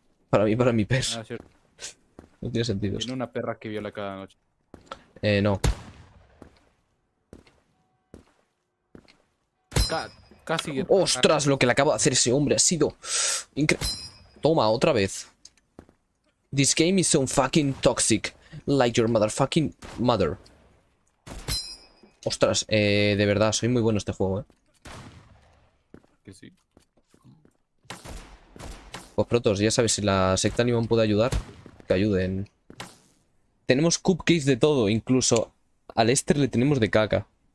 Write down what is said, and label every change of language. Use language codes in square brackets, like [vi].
[es] Para mí y para mi perro. Ah, cierto. No tiene sentido. Tiene una perra que viola cada noche. No. Casi. ¡Ostras! Lo que le acabo de hacer ese hombre ha sido increíble. Toma, otra vez. [en] This game is so fucking toxic. Like your motherfucking mother. [es] Ostras, de verdad, soy muy bueno este juego, Que sí. Pues Protoss, ya sabes, si la secta Animon puede ayudar, que ayuden. Tenemos cupcakes de todo, incluso al Esther le tenemos de caca.